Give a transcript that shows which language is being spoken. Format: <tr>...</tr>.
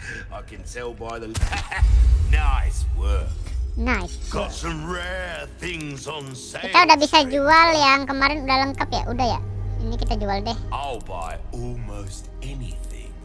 <en>I can tell by the nice work. Nice. Got some rare things on sale.</en> <id>Kita udah bisa jual yang kemarin udah lengkap ya, udah ya. Ini kita jual deh.</id> <en>I'll buy almost anything.</en>